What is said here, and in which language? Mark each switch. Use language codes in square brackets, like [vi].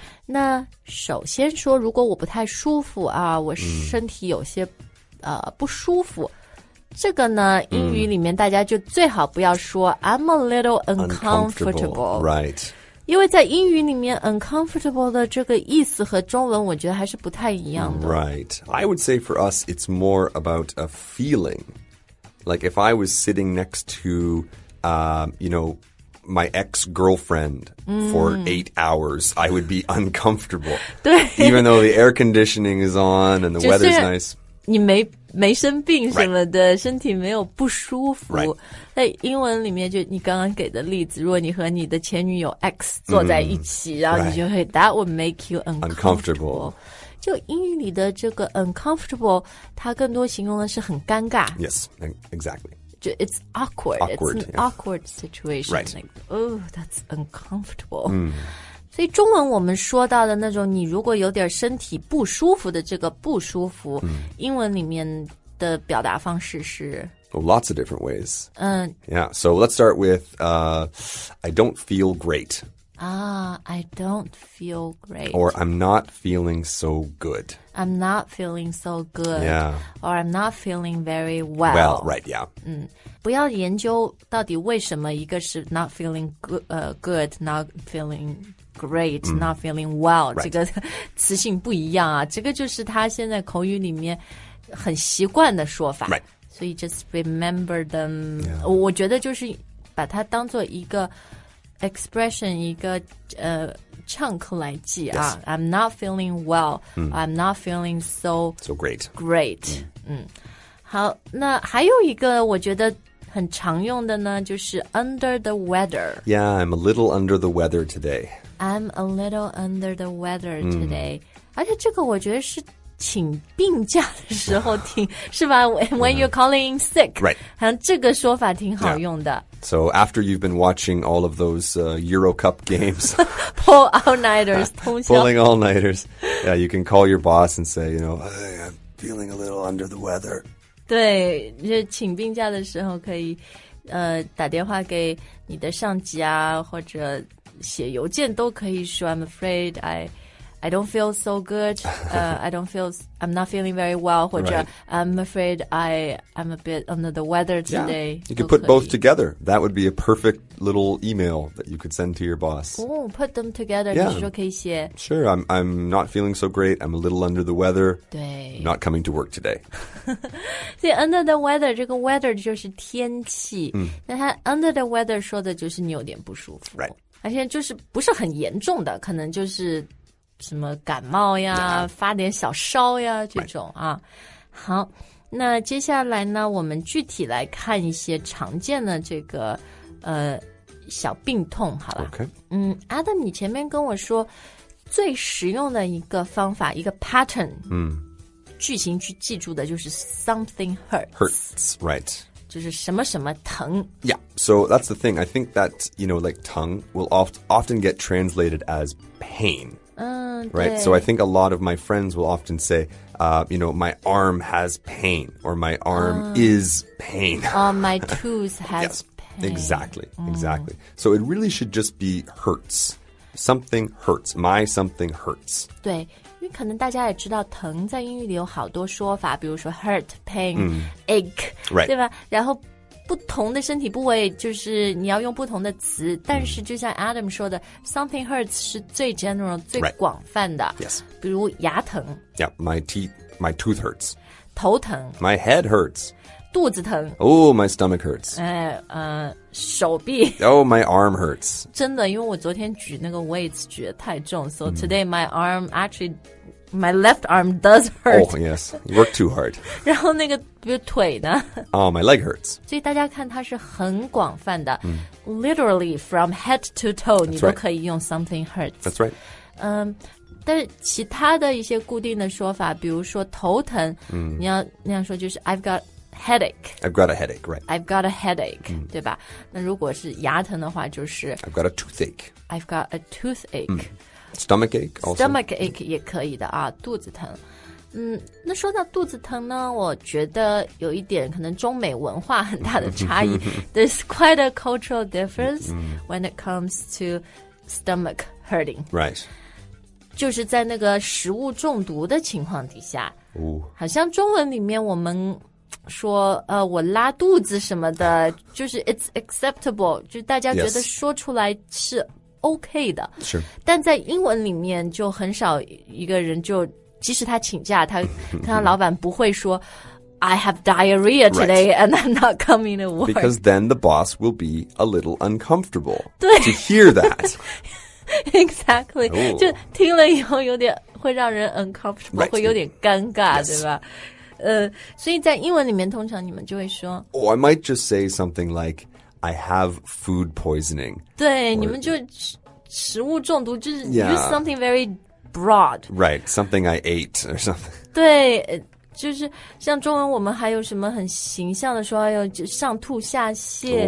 [zh] 那首先说，如果我不太舒服啊，我身体有些不舒服，这个呢英语里面大家就最好不要说 [en] I'm a little uncomfortable, right? [zh] 因为在英语里面 uncomfortable 的这个意思和中文我觉得还是不太一样的。 [en] Right. I would say for us it's more about a feeling. Like if I was sitting next to, you know,my ex-girlfriend for 8 hours, I would be uncomfortable. [zh] 对 [en] Even though the air conditioning is on and the weather is nice. [zh] 你没生病什么的、 [en] right. [zh] 身体没有不舒服。 [en] Right. [zh] 在英文里面就你刚刚给的例子，如果你和你的前女友 X 坐在一起、然后你就会、 [en] right. That would make you uncomfortable. [zh] 就英语里的这个 uncomfortable, 它更多形容的是很尴尬。 [en] Yes, exactly. It's awkward. It's an awkward situation. Right. Like, oh, that's uncomfortable.、 Mm. [zh] 所以中文我们说到的那种你如果有点身体不舒服的这个不舒服、英文里面的表达方式是 [en] Oh, lots of different ways. Yeah, so let's start with, I don't feel great. Ah, I don't feel great. Or I'm not feeling so good. I'm not feeling so good. Yeah. Or I'm not feeling very well. Well, right, yeah. [zh] 不要研究到底为什么一个是 [en] not feeling good, not feeling great,、not feeling well,、 right. [zh] 这个词性不一样啊。这个就是他现在口语里面很习惯的说法。 Right. 所以 [en] just remember them.、 Yeah. [zh] 我觉得就是把它当做一个expression 一个chunk 来记啊、 [en] yes. I'm not feeling well、I'm not feeling so great [zh] great、好，那还有一个我觉得很常用的呢就是 under the weather. [en] Yeah, I'm a little under the weather today. I'm a little under the weather today、 [zh] 而且这个我觉得是请病假的时候听是吧 [en] when you're calling in sick、 right. [zh] 好像这个说法挺好用的、 [en] So after you've been watching all of those Euro Cup games, pull all nighters, pulling all nighters, yeah, you can call your boss and say, you know, hey, I'm feeling a little under the weather. [zh] 对，就请病假的时候可以，打电话给你的上级啊，或者写邮件都可以说 [en] I'm afraid I don't feel so good. I'm not feeling very well. [zh] 或者 [en] I'm afraid I'm a bit under the weather today. Yeah, you could put both together. That would be a perfect little email that you could send to your boss. Oh, put them together. Yeah. [zh] 你说可以写。 [en] Sure. I'm not feeling so great. I'm a little under the weather. [zh] 对。 [en] Not coming to work today. [zh] 所以 under the weather, 这个 weather 就是天气。那它 under the weather 说的就是你有点不舒服。 [en] Right. [zh] 而且就是不是很严重的，可能就是什么感冒呀、发点小烧呀这种啊、好，那接下来呢我们具体来看一些常见的这个小病痛好了、 [en] okay. [zh] Adam 你前面跟我说最实用的一个方法一个 pattern、句型去记住的就是 something hurts [en] right [zh] 就是什么什么疼 [en] yeah so that's the thing I think that you know like tongue will often get translated as painright? So I think a lot of my friends will often say, you know, my arm has pain or my arm is pain. My tooth has yes, pain. Exactly, exactly. So it really should just be hurts. Something hurts. My something hurts. [zh] 对，因为可能大家也知道疼在英语里有好多说法，比如说 hurt, pain, ache, [en] right. [zh] 对吧？然后不同的身体部位就是你要用不同的词、mm. 但是就像 Adam 说的 something hurts 是最 general 最广泛的、 [en] right. yes. [zh] 比如牙疼 [en] yeah, my tooth hurts [zh] 头疼 [en] my head hurts [zh] 肚子疼 [en] oh, my stomach hurts [zh] 手臂 [en] oh, my arm hurts [zh] 真的因为我昨天举那个 [en] weights [zh] 举得太重 [en] so today、mm. my arm actuallyMy left arm does hurt. Oh, yes. You work too hard. [zh] 然后那个比如腿呢 [en] Oh, my leg hurts. [zh] 所以大家看它是很广泛的、mm. [en] Literally, from head to toe,、That's、 [zh] 你都可以用 [en] something hurts. That's right.、 [zh] 但是其他的一些固定的说法比如说头疼、mm. 你要那样说就是 [en] I've got headache. I've got a headache, right. I've got a headache,、mm. [zh] 对吧那如果是牙疼的话就是 [en] I've got a toothache. I've got a toothache.、Mm. Stomach ache also. [zh] Stomach ache 也可以的啊肚子疼。那说到肚子疼呢我觉得有一点可能中美文化很大的差异。 [en] There's quite a cultural difference when it comes to stomach hurting. Right. [zh] 就是在那个食物中毒的情况底下。好像中文里面我们说我拉肚子什么的就是 [en] it's acceptable, [zh] 就大家觉得说出来是OK 的是但在英文里面就很少一个人就即使他请假他看到老板不会说 [en] I have diarrhea today、 right. and I'm not coming to work Because then the boss will be a little uncomfortable [zh] 对 [en] to hear that Exactly、oh. [zh] 就听了以后有点会让人 uncomfortable、 [en] right. [zh] 会有点尴尬、 [en] yes. [zh] 对吧所以在英文里面通常你们就会说 [en] Or I might just say something likeI have food poisoning. [zh] 对 or, 你们就食物中毒就是 [en] use something very broad. Right, something I ate or something. [zh] 对就是像中文我们还有什么很形象的说哎呦就上吐下泻。